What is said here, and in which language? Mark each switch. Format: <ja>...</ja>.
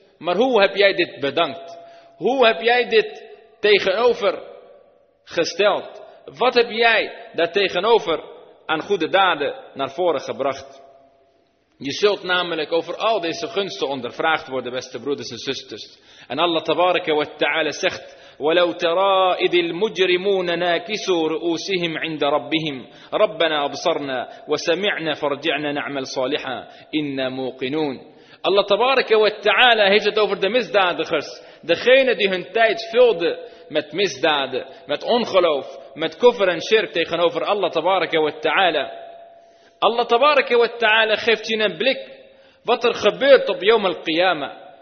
<nl>Maar hoe heb jij dit bedankt? Hoe heb jij dit tegenover gesteld? Wat heb jij daartegenover aan goede daden naar voren gebracht? Je zult namelijk over al deze gunsten ondervraagd worden, beste broeders en zusters. En Allah tabaraka wa ta'ala zegt:</nl> <ar>وَلَوْ تَرَىٰ إِذِ الْمُجْرِمُونَ نَاكِسُوا رُؤُوسِهِمْ عِنْدَ رَبِّهِمْ رَبَّنَا أَبْصَرْنَا وَسَمِعْنَا فَرْجِعْنَا نَعْمَلْ صَالِحًا إِنَّا مُوقِنُونَ.</ar> <nl>Allah tabaraka wa ta'ala heeft het over de misdadigers, degene die hun tijd vulden met misdaden, met ongeloof, met kufr en shirk tegenover Allah tabaraka wa ta'ala. Allah tabaraka wa ta'ala geeft je een blik wat er gebeurt op Yawm al-Qiyamah.</nl>